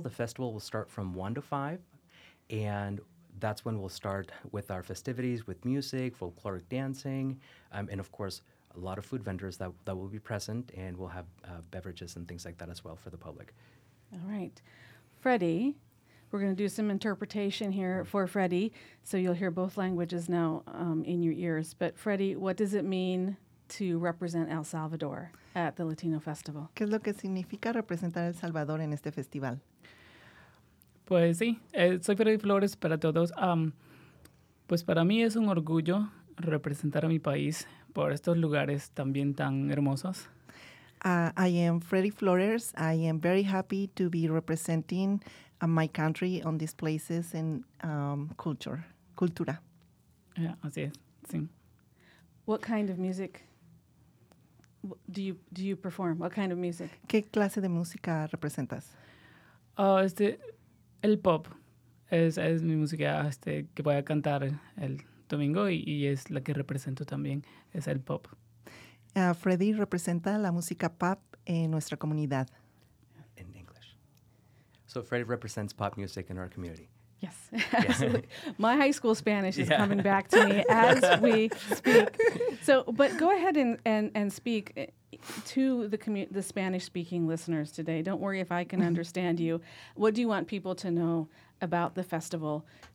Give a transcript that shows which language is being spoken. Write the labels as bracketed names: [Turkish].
[English] The festival will start from 1 to 5, and that's when we'll start with our festivities, with music, folkloric dancing, and of course, a lot of food vendors that will be present, and we'll have beverages and things like that as well for the public. All right. Freddie, we're going to do some interpretation here for Freddie, so you'll hear both languages now in your ears. But Freddie, what does it mean to represent El Salvador at the Latino Festival? [Spanish] ¿Qué es lo que significa representar El Salvador en este festival? Pues sí, soy Freddy Flores para todos. Pues para mí es un orgullo representar a mi país por estos lugares también tan hermosos. [English] I am Freddy Flores. I am very happy to be representing my country on these places and cultura. [Spanish] Yeah, así es, sí. [English] What kind of music do you perform? What kind of music? [Spanish] ¿Qué clase de música representas? El pop es mi música que voy a cantar el domingo y es la que represento también, es el pop. Freddy representa la música pop en nuestra comunidad. [English] In English. So Freddy represents pop music in our community. Yes. My high school Spanish is coming back to me as we speak. So, but go ahead and speak to the Spanish-speaking listeners today. Don't worry if I can understand you. What do you want people to know about the festival?